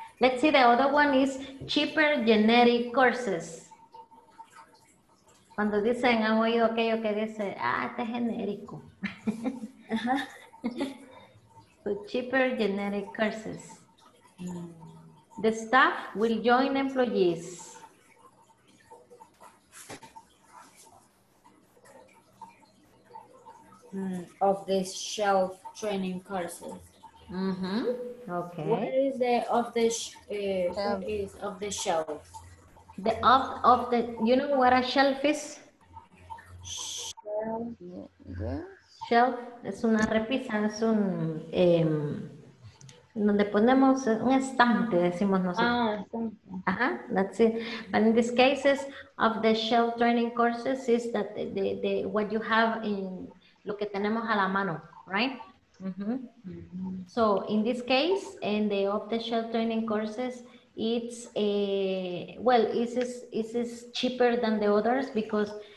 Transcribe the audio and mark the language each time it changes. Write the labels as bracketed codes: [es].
[en] Let's see, the other one is cheaper generic courses. [es] Cuando dicen, han oído aquello que dice, ah, este es genérico. [en] Uh-huh. So cheaper generic courses. The staff will join employees. Of this shelf training courses. Mm-hmm. Okay. What is the off the shelf? The of the, you know what a shelf is? [es] Shelf es una repisa, es un donde ponemos un estante, decimos nosotros. Ah, estante. [en] Ajá, that's it. But in this case, of the shelf training courses is that the what you have in [es] lo que tenemos a la mano, [en] right? Mm-hmm. So in this case, in the of the shelf training courses, it's well, is cheaper than the others because.